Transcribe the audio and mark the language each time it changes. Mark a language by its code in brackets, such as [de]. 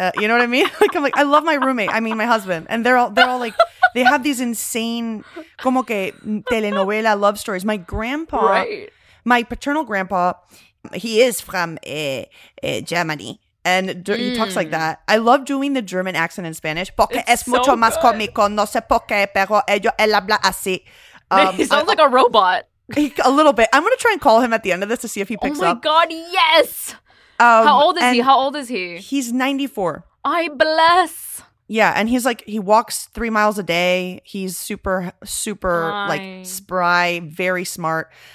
[en] You know what I mean? Like, I'm like, I love my roommate. I mean, my husband. And they're all like, they have these insane, [es] como que [en] telenovela love stories. My grandpa, right. My paternal grandpa, he is from Germany. And he talks like that. I love doing the German accent in Spanish. [es] Porque [en] it's [es] es mucho [en] so [es] más cómico. No sé por qué, pero él habla así. [en] He sounds like a robot. A little bit. I'm going to try and call him at the end of this to see if he picks up. Oh my God, yes. How old is he? He's 94. I bless. Yeah. And he's like, he walks 3 miles a day. He's super, super like spry, very smart.